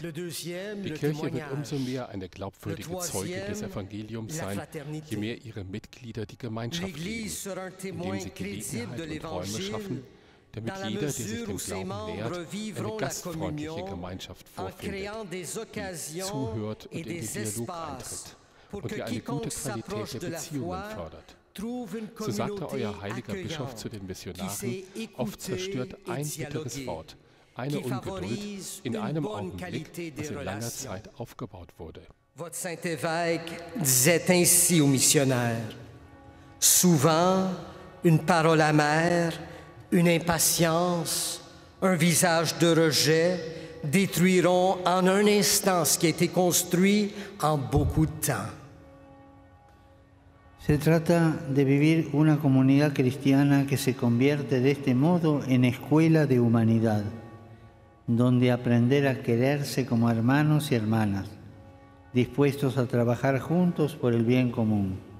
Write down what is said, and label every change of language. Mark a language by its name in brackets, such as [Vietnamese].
[German] Die Kirche wird umso mehr eine glaubwürdige Zeuge des Evangeliums sein, je mehr ihre Mitglieder die Gemeinschaft leben, indem sie Gelegenheit und Räume schaffen, damit jeder, der sich dem Glauben nähert, eine gastfreundliche Gemeinschaft vorfindet, die zuhört und in den Dialog eintritt und die eine gute Qualität der Beziehungen fördert. So sagte euer heiliger Bischof zu den Missionaren, oft zerstört ein bitteres Wort, eine Ungeduld in einem Augenblick, das in langer Zeit aufgebaut wurde. [French] Votre Saint-Évêque disait ainsi aux missionnaires, souvent une parole amère, une impatience, un visage de rejet détruiront en un instant ce qui a été construit en beaucoup de temps. [Spanish] Se trata de vivir una comunidad cristiana que se convierte de este modo en escuela de humanidad, donde aprender a quererse como hermanos y hermanas, dispuestos a trabajar juntos por el bien común.